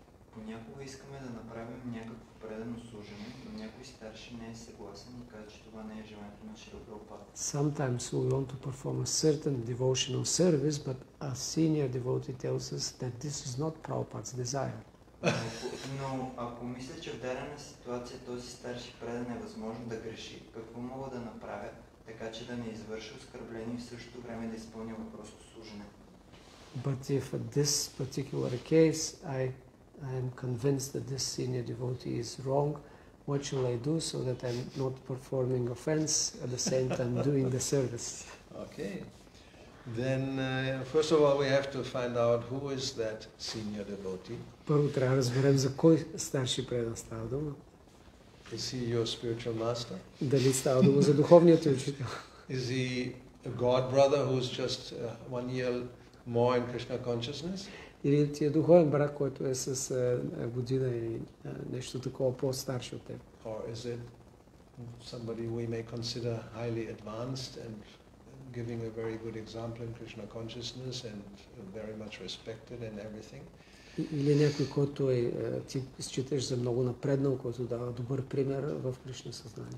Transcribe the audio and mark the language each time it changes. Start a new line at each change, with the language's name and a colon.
Bulgarian: Понякога искаме да направим някакво предано служене, но някой старши не е съгласен и казва, че това не е желанието на Шрила Прабхупада.
English: Sometimes we want to perform a certain devotional service, but a senior devotee tells us that this is not Prabhupada's desire.
Bulgarian: Но ако мисля, че в дадена ситуация този старши предан е възможно да греши, какво мога да направя, така че да не извърша оскърбление и в същото време да изпълня въпросното служене?
English: But if at this particular case I am convinced that this senior devotee is wrong, what shall I do so that I'm not performing offense at the same time doing the service? Okay. Then, first of all, we have to find out who is that senior devotee.
Bulgarian: Първо трябва да разберем за кой старши предан става дума.
English: Is he your spiritual master?
Bulgarian: Дали става дума за духовният учител?
English: Is he a god brother who is just 1 year more in Krishna consciousness?
Bulgarian: Или ти е духовен брат, който е с година и нещо такова по-старше от теб?
English: Or is it somebody we may consider highly advanced and giving a very good example in Krishna consciousness and very much respected and everything?
Bulgarian: Или някой, който ти считаш за много напреднал, който дава добър пример в Кришна съзнание?